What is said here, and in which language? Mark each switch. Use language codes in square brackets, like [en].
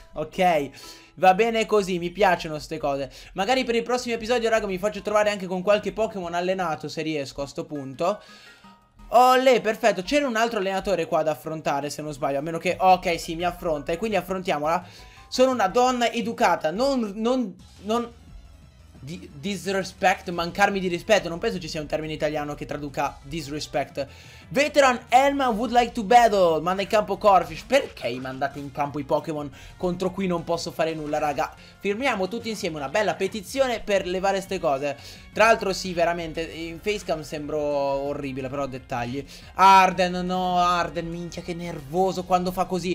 [it] Ok, va bene così, mi piacciono queste cose. Magari per il prossimo episodio, raga, mi faccio trovare anche con qualche Pokémon allenato, se riesco a sto punto. Olè, perfetto. C'era un altro allenatore qua da affrontare, se non sbaglio. A meno che... Ok, sì, mi affronta. E quindi affrontiamola. Sono una donna educata. Non disrespect, mancarmi di rispetto. Non penso ci sia un termine italiano che traduca disrespect. [en] Veteran Elma would like to battle. [it] Manda in campo Corphish. Perché mandate in campo i Pokémon contro cui non posso fare nulla, raga? Firmiamo tutti insieme una bella petizione per levare ste cose. Tra l'altro, sì, veramente, in facecam sembro orribile, però dettagli. Arden, no, Arden, minchia, che nervoso quando fa così.